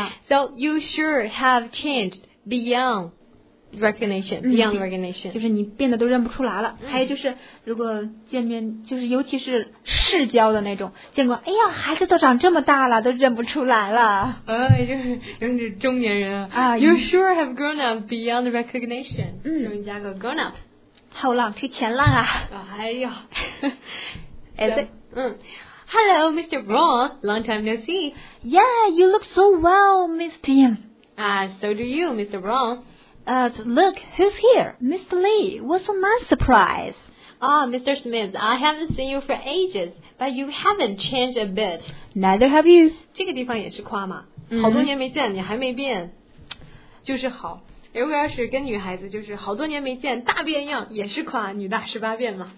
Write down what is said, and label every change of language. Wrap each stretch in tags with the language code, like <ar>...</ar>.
<en>So you sure have changed beyond recognition, beyond recognition.</en> <zh>就是你变得都认不出来了。还有就是如果见面就是尤其是世交的那种见过哎呀孩子都长这么大了都认不出来了。就是中年人啊。</zh> <en>You sure have grown up beyond recognition.</en> <zh>容易加个</zh> <en>grown up.</en> <zh>后浪推前浪啊。哎呀。哎</zh> <en>Hello, Mr. Brown. Long time no see. Yeah, you look so well, Miss Tian. So do you, Mr. Brown. Look, who's here? Mr. Lee, what's a nice surprise? Mr. Smith, I haven't seen you for ages, but you haven't changed a bit. Neither have you.</en> <zh>这个地方也是夸嘛。好多年没见，你还没变，就是好。如果要是跟女孩子就是好多年没见大变样也是夸女大十八变嘛，</zh>